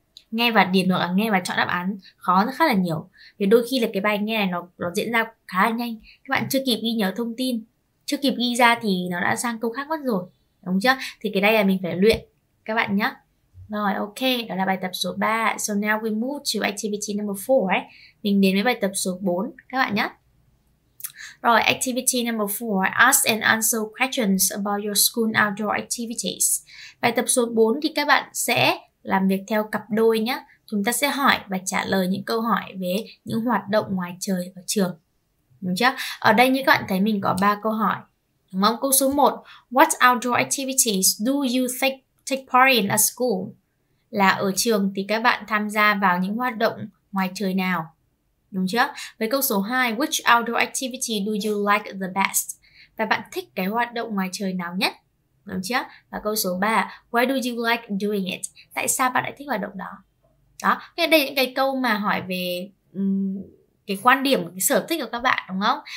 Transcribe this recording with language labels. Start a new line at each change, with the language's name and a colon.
Vietnamese: Nghe và điền hoặc là nghe và chọn đáp án khó rất là nhiều. Vì đôi khi là cái bài nghe này nó diễn ra khá là nhanh, các bạn chưa kịp ghi nhớ thông tin, chưa kịp ghi ra thì nó đã sang câu khác mất rồi, đúng chưa? Thì cái đây là mình phải luyện các bạn nhé. Rồi, ok, đó là bài tập số 3.
English: So now we move to activity number 4.
Vietnamese: Mình đến với bài tập số 4 các bạn nhé.
English: Rồi, activity number 4, ask and answer questions about your school outdoor activities.
Vietnamese: Bài tập số 4 thì các bạn sẽ làm việc theo cặp đôi nhé. Chúng ta sẽ hỏi và trả lời những câu hỏi về những hoạt động ngoài trời ở trường đúng chưa? Ở đây như các bạn thấy mình có 3 câu hỏi, đúng không? Câu số 1,
English: what outdoor activities do you take part in at school?
Vietnamese: Là ở trường thì các bạn tham gia vào những hoạt động ngoài trời nào, đúng chưa? Với câu số 2,
English: which outdoor activity do you like the best?
Vietnamese: Và bạn thích cái hoạt động ngoài trời nào nhất, đúng chưa? Và câu số 3,
English: why do you like doing it?
Vietnamese: Tại sao bạn lại thích hoạt động đó? Đó, đây là những cái câu mà hỏi về cái quan điểm, cái sở thích của các bạn, đúng không?